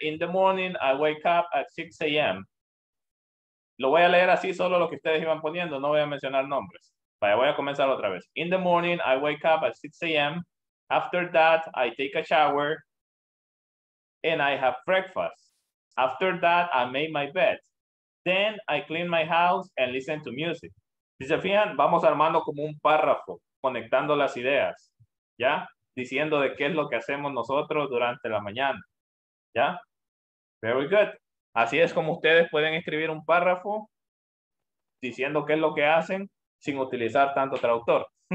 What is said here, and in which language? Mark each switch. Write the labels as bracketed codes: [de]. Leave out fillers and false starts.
[en] In the morning, I wake up at 6 a.m. [es] Lo voy a leer así, solo lo que ustedes iban poniendo. No voy a mencionar nombres. Vaya, voy a comenzar otra vez. [en] In the morning, I wake up at 6 a.m. After that, I take a shower. And I have breakfast. After that, I make my bed. Then, I clean my house and listen to music. [es] Si se fijan, vamos armando como un párrafo, conectando las ideas, ¿ya? Diciendo de qué es lo que hacemos nosotros durante la mañana, ¿ya? [en] Very good. [es] Así es como ustedes pueden escribir un párrafo diciendo qué es lo que hacen sin utilizar tanto traductor.